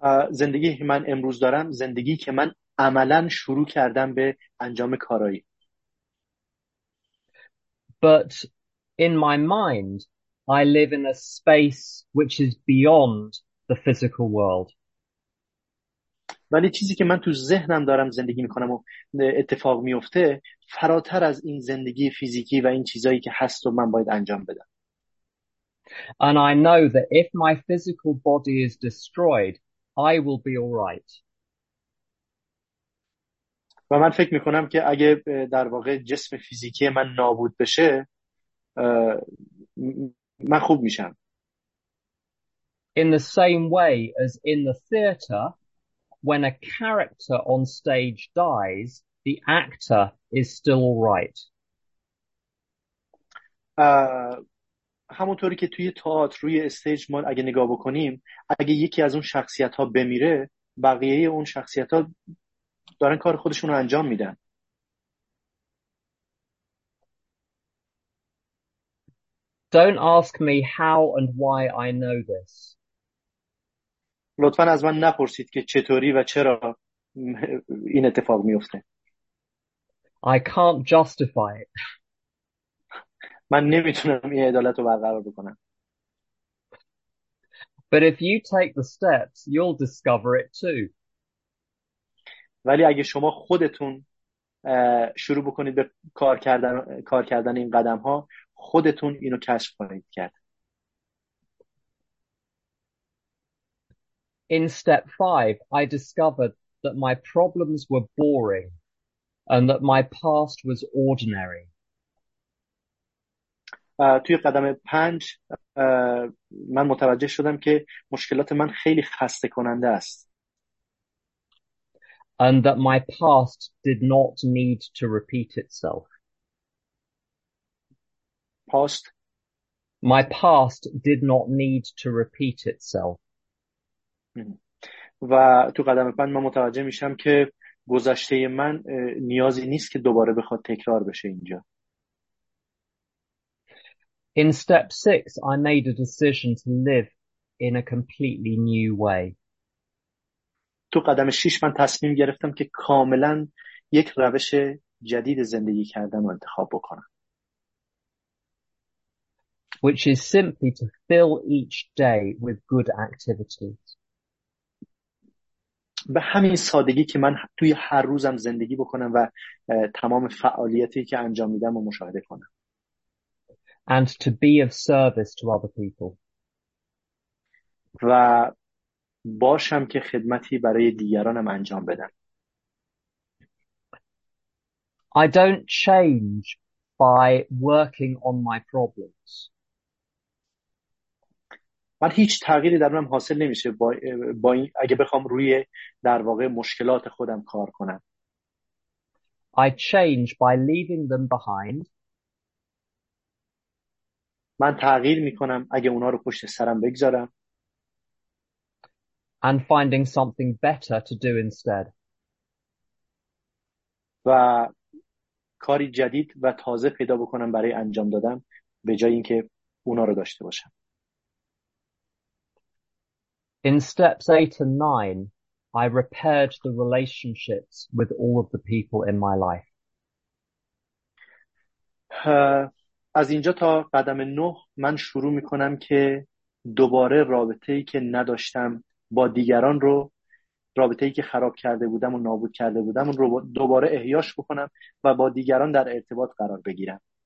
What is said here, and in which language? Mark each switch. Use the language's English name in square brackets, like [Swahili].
[Persian] زندگی که من امروز دارم، زندگی که من عملا شروع کردم به انجام کارایی. [English] But in my mind, I live in a space which is beyond the physical world. [Persian] ولی چیزی که من تو ذهنم دارم زندگی میکنم و اتفاق میفته فراتر از این زندگی فیزیکی و این چیزایی که هست و من باید انجام بدم. [English] And I know that if my physical body is destroyed, I will be all right. [Persian] و من فکر میکنم که اگه در واقع جسم فیزیکی من نابود بشه من خوب میشم. [English] In the same way as in the theater, when a character on stage dies, the actor is still all right. [Persian] همونطوری که توی تئاتر روی استیج ما اگه نگاه بکنیم اگه یکی از اون شخصیت ها بمیره بقیه اون شخصیت ها دارن کار خودشون رو انجام میدن. [English] Don't ask me how and why I know this. [Persian] لطفا از من نپرسید که چطوری و چرا این اتفاق میفته. [English] I can't justify it. [Persian] من نمیتونم این عدالت رو برقرار بکنم. [English] But if you take the steps, you'll discover it too. [Persian] ولی اگه شما خودتون شروع بکنید به کار کردن این قدم ها خودتون اینو کشف خواهید کرد. [English] In step five, I discovered that my problems were boring and that my past was ordinary. [Persian] توی قدم پنج من متوجه شدم که مشکلات من خیلی خسته کننده است. [English] And that my past did not need to repeat itself. Past. My past did not need to repeat itself. [Persian] و تو قدم پنج من متوجه میشم که گذشته من نیازی نیست که دوباره بخواد تکرار بشه اینجا. [English] In step six, I made a decision to live in a completely new way. [Persian] تو قدم شیش من تصمیم گرفتم که کاملا یک روش جدید زندگی کردن رو انتخاب بکنم. [English] Which is simply to fill each day with good activities. [Persian] به همین سادگی که من توی هر روزم زندگی بکنم و تمام فعالیتی که انجام میدم رو مشاهده کنم. [English] And to be of service to other people. [Persian] و باشم که خدمتی برای دیگرانم انجام بدم. [English] I don't change by working on my problems. [Persian] من هیچ تغییری در من حاصل نمیشه با این اگه بخوام روی در واقع مشکلات خودم کار کنم. [English] I change by leaving them behind. [Persian] من تغییر میکنم اگه اونا رو پشت سرم بگذارم. [English] And finding something better to do instead. [Persian] و کاری جدید و تازه پیدا بکنم برای انجام دادن به جای اینکه اونا رو داشته باشم. [English] In steps 8 and 9, I repaired the relationships with all of the people in my life. [Persian] از اینجا تا قدم 9 من شروع میکنم که دوباره رابطه‌ای که نداشتم با دیگران رو رابطه‌ای که خراب کرده بودم و نابود کرده بودم رو دوباره احیاش بکنم و با دیگران در ارتباط قرار بگیرم.